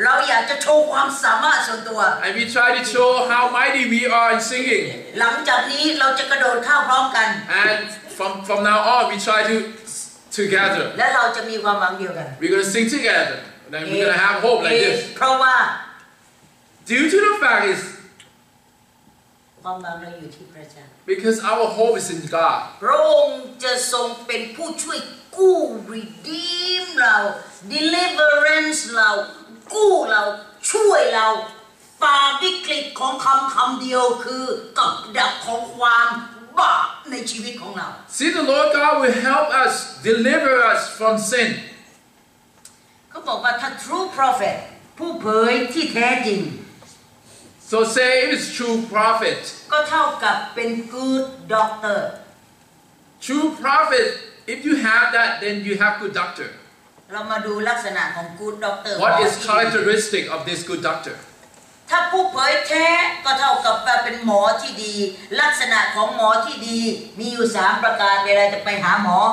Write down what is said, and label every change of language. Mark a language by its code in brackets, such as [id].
[en] And we try to show how mighty we are in singing. [th] หลังจากนี้เราจะกระโดดเข้าพร้อมกัน [en] And from now on we try to together [th] และเราจะมีความหวังเดียวกัน [en] We're gonna sing together and we're gonna have hope like this [th] เพราะว่า [en] due to the fact is [th] ความหวังเราอยู่ที่พระเจ้า [en] because our hope is in God [th] พระองค์จะทรงเป็นผู้ช่วยกู้ redeem เรา deliverance เรากู้เราช่วยเราฝ่าวิกฤตของคำเดียวคือกับดักของความบาปในชีวิตของเรา [en] See the Lord God will help us deliver us from sin [th] ก็บอกว่าถ้า [en] true prophet [th] ผู้เผยที่แท้จริง [en] So say if it's true prophet [th] ก็เท่ากับเป็น [en] good doctor True prophet if you have that then you have good doctor [th] เรามาดูลักษณะของ [en] good doctor What is characteristic of this good doctor [th] ถ้าผู้เผยแท้ก็เท่ากับเป็นหมอที่ดีลักษณะของหมอที่ดีมีอยู่3ประการเวลาจะไปหาหมอ